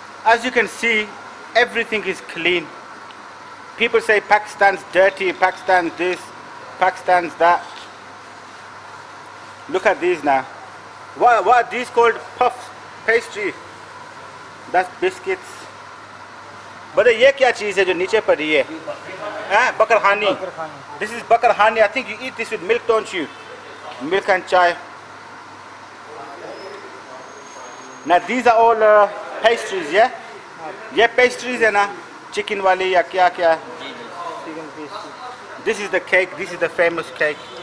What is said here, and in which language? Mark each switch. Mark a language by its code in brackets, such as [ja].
[en] As you can see, everything is clean. People say Pakistan's dirty. Pakistan's this. Pakistan's that. Look at these now. What are these called? Puff pastry. That's biscuits. [ur] But یہ کیا چیز ہے جو نیچے پڑی ہے؟ باقرخانی۔ [en] This is bakarhani. I think you eat this with milk, don't you? Milk and chai. Now these are all pastries, yeah? [ur] یہ pastries ہے نا؟ چکن والی یا کیا کیا؟ [en] Chicken pastry. This is the cake. This is the famous cake.